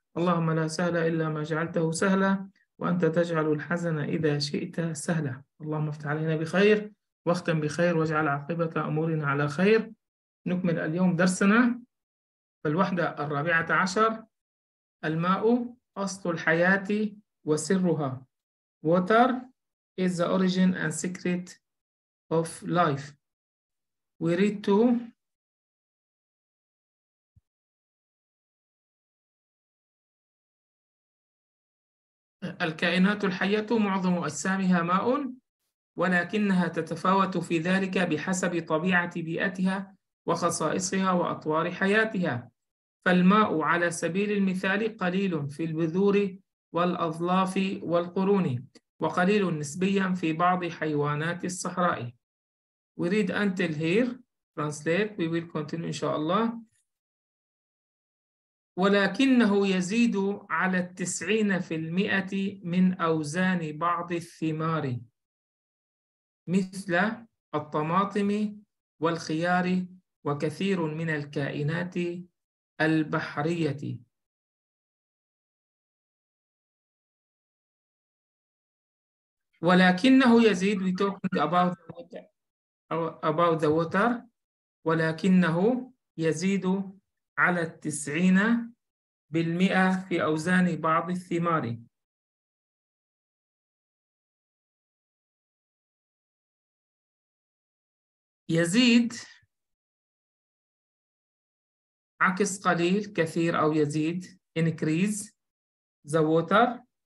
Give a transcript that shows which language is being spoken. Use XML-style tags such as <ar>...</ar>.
<ar>اللهم لا سهل إلا ما جعلته سهلا، وأنت تجعل الحزن إذا شئت سهلا. اللهم افتح علينا بخير واختم بخير واجعل عاقبة أمورنا على خير. نكمل اليوم درسنا في الوحدة 14، الماء أصل الحياة وسرها.</ar> <en>Water is the origin and secret of life. We read to</en> <ar>الكائنات الحية معظم أجسامها ماء، ولكنها تتفاوت في ذلك بحسب طبيعة بيئتها وخصائصها وأطوار حياتها. فالماء على سبيل المثال قليل في البذور والأظلاف والقرون، وقليل نسبيا في بعض حيوانات الصحراء.</ar> <en>We read until here, translate, we will continue إن شاء الله.</en> <ar>ولكنه يزيد على 90% من أوزان بعض الثمار مثل الطماطم والخيار وكثير من الكائنات البحرية. ولكنه يزيد،</ar> <en>we talking about the water, about the water.</en> <ar>ولكنه يزيد على 90% في أوزان بعض الثمار. يزيد عكس قليل كثير أو يزيد</ar> <en>increase the water.</en>